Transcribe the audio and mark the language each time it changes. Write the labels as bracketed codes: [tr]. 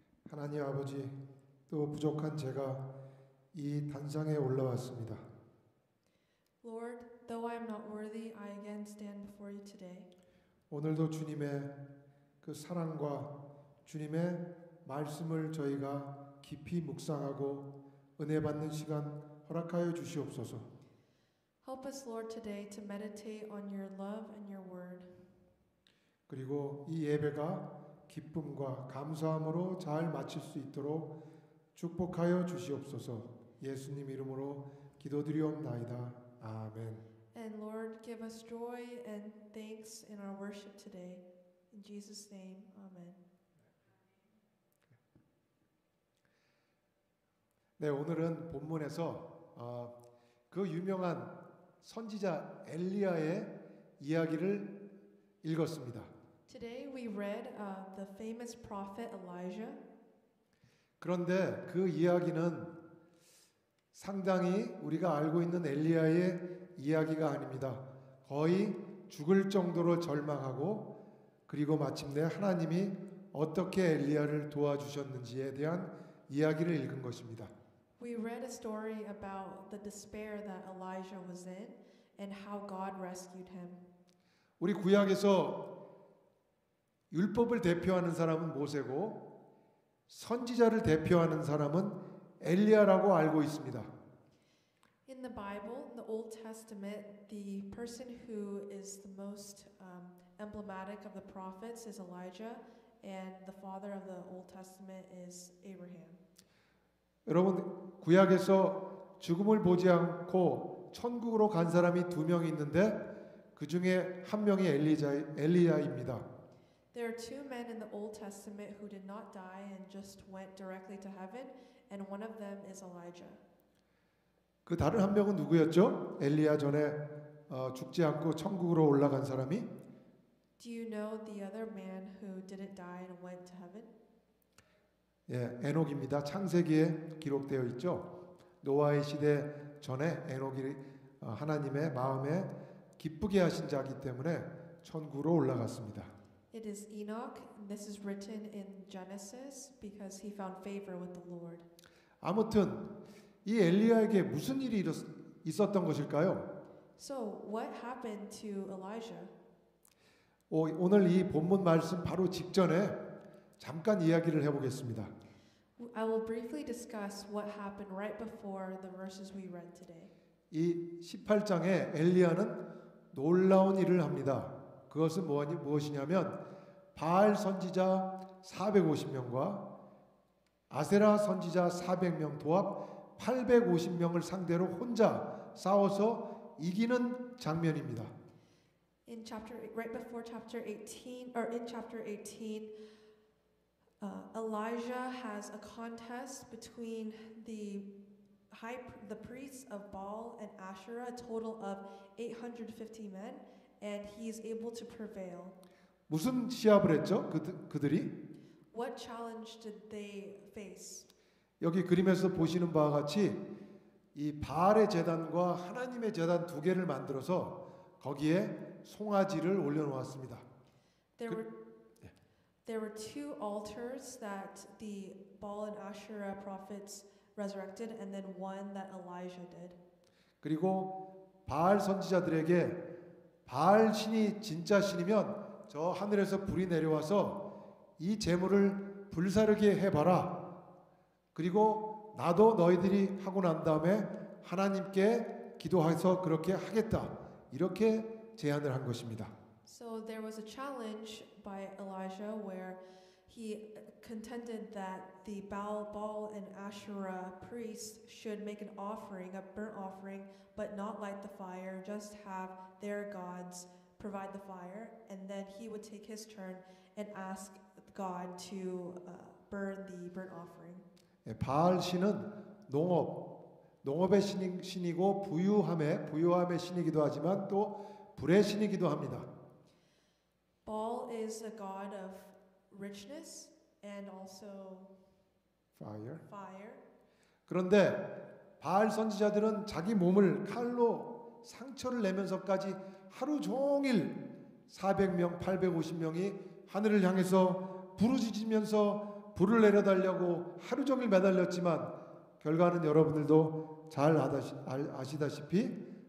[ko] 하나님 아버지, 또 부족한 제가 이 단상에 올라왔습니다. [en] Lord, though I am not worthy, I again stand before you today. [ko] 오늘도 주님의 그 사랑과 주님의 말씀을 저희가 깊이 묵상하고 은혜 받는 시간 허락하여 주시옵소서. [en] Help us, Lord, today to meditate on your love and your word. [ko] 그리고 이 예배가 기쁨과 감사함으로 잘 마칠 수 있도록 축복하여 주시옵소서. 예수님 이름으로 기도드리옵나이다. 아멘. [en] And Lord, give us joy and thanks in our worship today. In Jesus' name, Amen. [ko] 네, 오늘은 본문에서 그 유명한 선지자 엘리야의 이야기를 읽었습니다. [en] Today we read the famous prophet Elijah. [ko] 그런데 그 이야기는 상당히 우리가 알고 있는 엘리야의 이야기가 아닙니다. 거의 죽을 정도로 절망하고 그리고 마침내 하나님이 어떻게 엘리야를 도와주셨는지에 대한 이야기를 읽은 것입니다. [en] We read a story about the despair that Elijah was in and how God rescued him. [ko] 우리 구약에서 율법을 대표하는 사람은 모세고 선지자를 대표하는 사람은 엘리야라고 알고 있습니다. [en] In the Bible, in the Old Testament, the person who is the most emblematic of the prophets is Elijah, and the father of the Old Testament is Abraham. [ko] 여러분, 구약에서 죽음을 보지 않고 천국으로 간 사람이 두 명이 있는데 그 중에 한 명이 엘리야입니다. [en] There are two men in the Old Testament who did not die and just went directly to heaven, and one of them is Elijah. [ko] 그 다른 한 명은 누구였죠? 엘리야 전에 죽지 않고 천국으로 올라간 사람이? [en] Do you know the other man who didn't die and went to heaven? [ko] 예, 에녹입니다. 창세기에 기록되어 있죠. 노아의 시대 전에 에녹이 하나님의 마음에 기쁘게 하신 자이기 때문에 천국으로 올라갔습니다. [en] It is Enoch. This is written in Genesis because he found favor with the Lord. [ko] 아무튼 이 엘리야에게 무슨 일이 있었던 것일까요? [en] So what happened to Elijah? [ko] 오늘 이 본문 말씀 바로 직전에 잠깐 이야기를 해보겠습니다. [en] I will briefly discuss what happened right before the verses we read today. [ko] 이 18장에 엘리야는 놀라운 일을 합니다. 그것은 무엇이냐면 바알 선지자 450명과 아세라 선지자 400명 도합 850명을 상대로 혼자 싸워서 이기는 장면입니다. [en] In chapter right before chapter 18 or in chapter 18 Elijah has a contest between the priests of Baal and Asherah, a total of 850 men, and he is able to prevail. [ko] 무슨 시합을 했죠? 그들이? [en] What challenge did they face? [ko] 여기 그림에서 보시는 바와 같이 이 바알의 제단과 하나님의 제단 두 개를 만들어서 거기에 송아지를 올려놓았습니다. [en] There were two altars that the Baal and Asherah prophets resurrected, and then one that Elijah did. [ko] 그리고 바알 선지자들에게 바알 신이 진짜 신이면 저 하늘에서 불이 내려와서 이 제물을 불사르게 해봐라. 그리고 나도 너희들이 하고 난 다음에 하나님께 기도해서 그렇게 하겠다. 이렇게 제안을 한 것입니다. [en] So there was a challenge by Elijah where he contended that the Baal and Asherah priests should make an offering, a burnt offering, but not light the fire, just have their gods provide the fire, and then he would take his turn and ask God to burn the burnt offering. [ko] 예, 바알 신은 농업의 신이고 부유함의 신이기도 하지만 또 불의 신이기도 합니다. [en] Baal is a god of richness and also fire. [ko] 그런데 바알 선지자들은 자기 몸을 칼로 상처를 내면서까지 하루 종일 400명, 850명이 하늘을 향해서 부르짖으면서 불을 내려달라고 하루 종일 매달렸지만 결과는 여러분들도 잘 아시다시피